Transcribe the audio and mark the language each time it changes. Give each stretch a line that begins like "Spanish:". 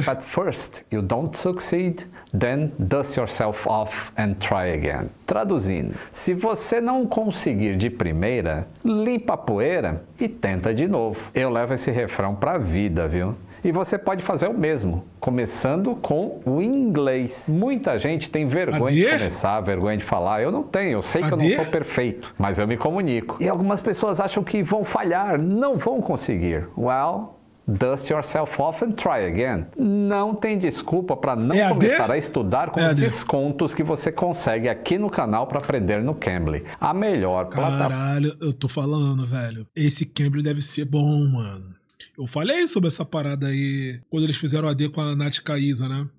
English: If at first you don't succeed, then dust yourself off and try again.
Portuguese: Traduzindo: se você não conseguir de primeira, limpa a poeira e tenta de novo. Eu levo esse refrão pra vida, viu? E você pode fazer o mesmo, começando com o inglês. Muita gente tem vergonha de Adê? começar, vergonha de falar. Eu não tenho, eu sei que eu não sou Adê? perfeito, mas eu me comunico. E algumas pessoas acham que vão falhar, não vão conseguir.
English: Well, dust yourself off and try again.
Portuguese: Não tem desculpa para não É começar Adê? a estudar com os É Adê? descontos que você consegue aqui no canal para aprender no Cambly. A melhor plataforma. Caralho, eu tô falando, velho. Esse Cambly deve ser bom, mano. Eu falei sobre essa parada aí quando eles fizeram AD com a Nath Caíza, né?